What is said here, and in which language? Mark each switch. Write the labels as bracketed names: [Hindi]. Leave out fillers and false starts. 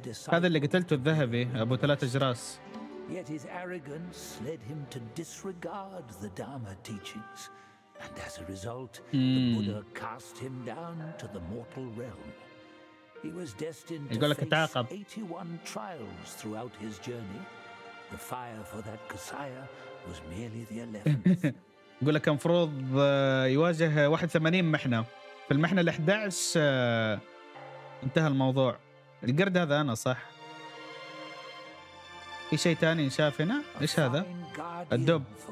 [Arabic] هذا اللي قتلته الذهبي أبو ثلاثة جراس. [English] Yet his arrogance led him to disregard the Dharma teachings, and as a result, the Buddha cast him down to the mortal realm. He was destined to face 81 trials throughout his journey. The fire for that Kasaya was merely the 11th. [Arabic] يقول لك المفروض يواجه 81 محنة. في المحنة ال 11 انتهى الموضوع. القرد هذا أنا صح؟ في شيء ثاني شاف هنا؟ إيش هذا؟ الدب.